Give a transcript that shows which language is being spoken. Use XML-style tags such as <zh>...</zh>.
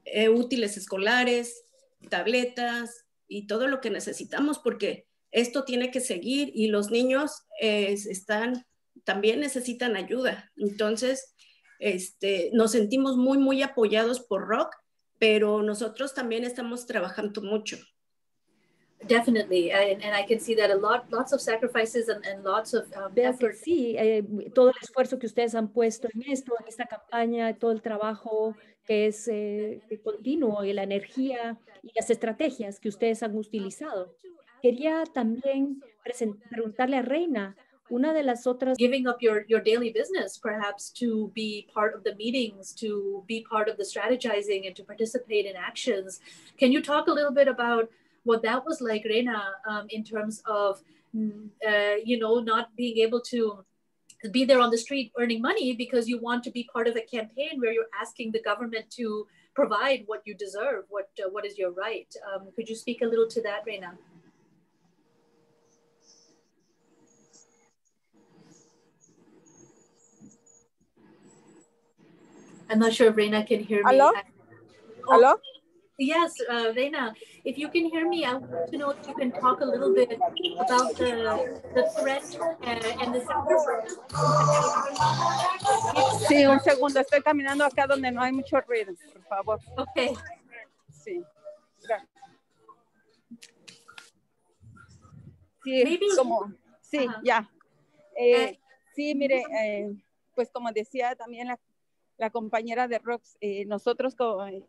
<es>útiles escolares, tabletas y todo lo que necesitamos, porque esto tiene que seguir y los niños están, también necesitan ayuda. Entonces, nos sentimos muy, muy apoyados por ROC, pero nosotros también estamos trabajando mucho.</es> <en>Definitely, and I can see that a lot, lots of sacrifices and lots of effort.</en> <es>Sí, todo el esfuerzo que ustedes han puesto en esto, en esta campaña, todo el trabajo que es continuo y la energía y las estrategias que ustedes han utilizado. Quería también preguntarle a Reina, una de las otras...</es> <en>Giving up your daily business, perhaps, to be part of the meetings, to be part of the strategizing and to participate in actions. Can you talk a little bit about what that was like, Reina, in terms of, not being able to be there on the street earning money because you want to be part of a campaign where you're asking the government to provide what you deserve, what is your right? Could you speak a little to that, Reina? I'm not sure if Reina can hear me. Hello? Hello? Yes, Reina, if you can hear me, I want to know if you can talk a little bit about the threat and the sacrifice.</en> <es>Sí, un segundo. Estoy caminando acá donde no hay mucho ruido, por favor.</es> <en>Okay.</en> <es>Sí. Sí,</es> <en>maybe.</en> <es>Como, sí, uh-huh. Ya. Sí, mire, pues como decía también la compañera de Rox, nosotros como...</es>